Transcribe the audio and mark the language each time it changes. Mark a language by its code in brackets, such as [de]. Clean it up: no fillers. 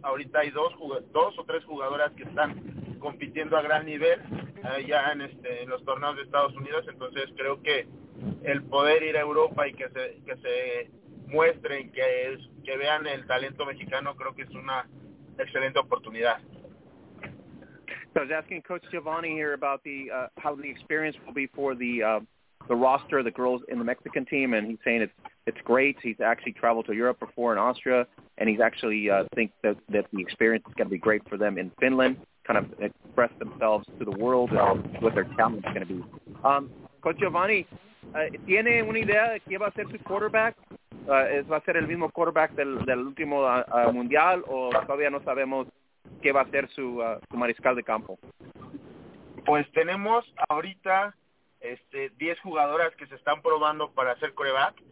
[es] Ahorita hay dos o tres jugadoras que están compitiendo a gran nivel ya en los torneos de Estados Unidos. Entonces creo que el poder ir a Europa y que se muestren, que vean el talento mexicano, creo que es una excelente oportunidad. [en] So I was asking Coach Giovanni here about how the experience will be for the roster, the girls in the Mexican team, and he's saying it's great. He's actually traveled to Europe before in Austria, and he's actually think that the experience is going to be great for them in Finland, kind of express themselves to the world and what their talent is going to be. [es] Coach Giovanni, ¿tiene una idea de quién va a ser su quarterback? ¿Va a ser el mismo quarterback del último mundial o todavía no sabemos qué va a ser su mariscal de campo? Pues tenemos ahorita 10 jugadoras que se están probando para hacer quarterback.